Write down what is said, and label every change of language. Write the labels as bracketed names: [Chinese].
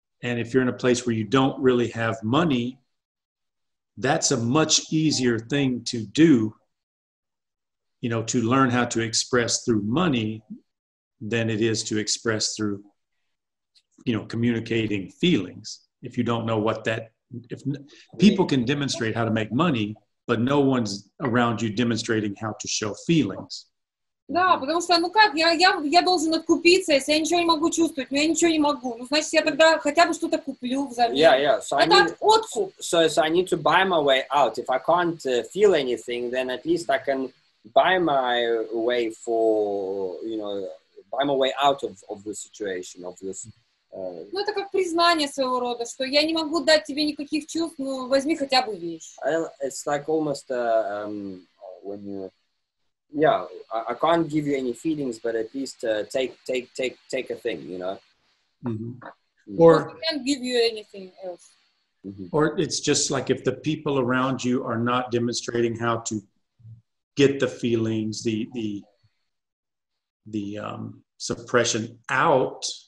[English] And if you're in a place where you don't really have money, that's a much easier thing to do, you know, to learn how to express through money than it is to express through you know, communicating feelings. If you don't know what that, if people can demonstrate how to make money, but no one's around you demonstrating how to show feelings. [Russian] Да, потому что, ну как, я должен откупиться, если я ничего не могу чувствовать, но я ничего не могу. Ну значит, я тогда хотя бы что-то куплю взамен. [English] Yeah. So [Russian] это откуп. [English] So I need to buy my way out. If I can't feel anything, then at least I can buy my way out of the situation of this. [Russian] Ну, это как признание своего рода, что я не могу дать тебе никаких чувств, ну, возьми хотя бы вещь. [English] It's like almost when you... Yeah, I can't give you any feelings, but at least take a thing, you know? Mm-hmm. Or... I can't give you anything else. Mm-hmm. Or it's just like if the people around you are not demonstrating how to get the feelings, the suppression out...